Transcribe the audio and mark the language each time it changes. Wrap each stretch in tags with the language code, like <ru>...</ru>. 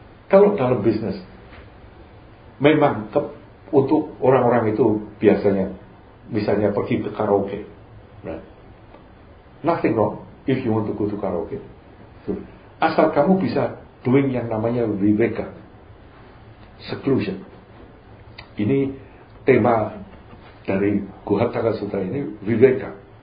<id>Kalau dalam bisnis, memang untuk orang-orang itu biasanya, misalnya pergi ke karaoke,</id> <en>right? Nothing wrong if you want to go to karaoke.</en> <id>Asal kamu bisa doing yang namanya viveka, seclusion. Ini tema dari Guhataka Sutra ini, viveka.</id>